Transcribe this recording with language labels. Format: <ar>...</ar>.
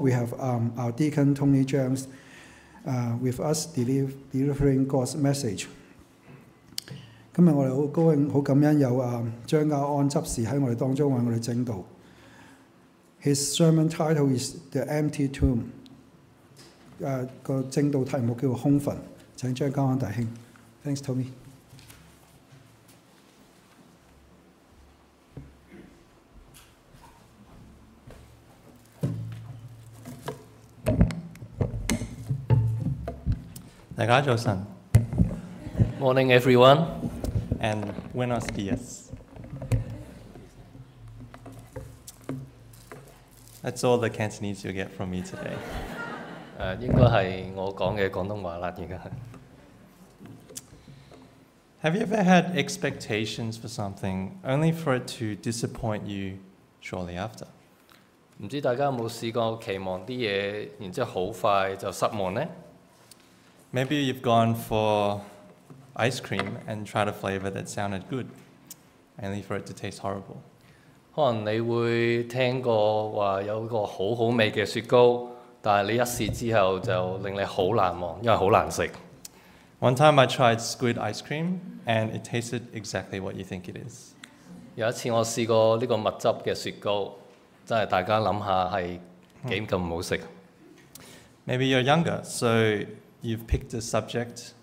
<en>We have our deacon Tony James with us delivering God's message.</en> <yue>今日我哋好高兴、好感恩有张家安执事喺我哋当中为我哋正道。</yue> <en>His sermon title is The Empty Tomb.</en> <yue>个正道题目叫做空坟，请张家安弟兄。</yue> <en>Thanks, Tony.</en> <yue>大家早晨</yue> <en>，Morning everyone,</en> <es>and Buenos dias.</es> <en>That's all the Cantonese you get from me today.</en> <yue>应该系我讲嘅广东话啦，而家。</yue> <en>Have you ever had expectations for something only for it to disappoint you shortly after?</en> <yue>唔知大家有冇试过期望啲嘢，然之后好快就失望呢？</yue> <en>Maybe you've gone for ice cream and tried a flavor that sounded good, only for it to taste horrible.</en> <yue>可能你会听过话有个好好味嘅雪糕，但系你一试之后就令你好难忘，因为好难食。</yue> <en>One time I tried squid ice cream and it tasted exactly what you think it is.</en> <yue>有一次我试过呢个蜜汁嘅雪糕，真系大家谂下系几咁唔好食。</yue> <en>Maybe you're younger, so. You've picked a subject</en>